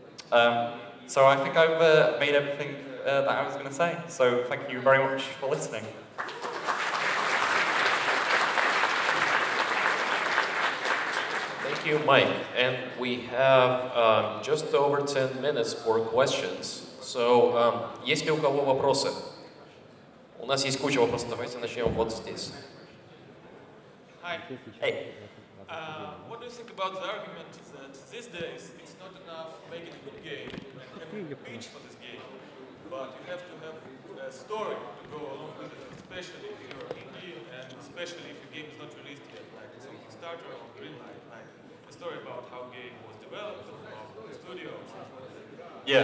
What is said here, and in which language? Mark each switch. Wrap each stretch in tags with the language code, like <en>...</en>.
<en>So I think I've made everything that I was going to say. So thank you very much for listening. Thank you, Mike. And we have just over 10 minutes for questions.</en> <ru>So, есть ли у кого вопросы? У нас есть куча вопросов. Давайте начнем вот здесь.</ru> <en>Hi. Hey. What do you think about the argument that these days it's not enough making a good game, like having a pitch for this game, but you have to have a story to go along with it, especially if you're indie and especially if your game is not released yet, like some Kickstarter or Greenlight, like a story about how game was developed or the studio or something like that?</en>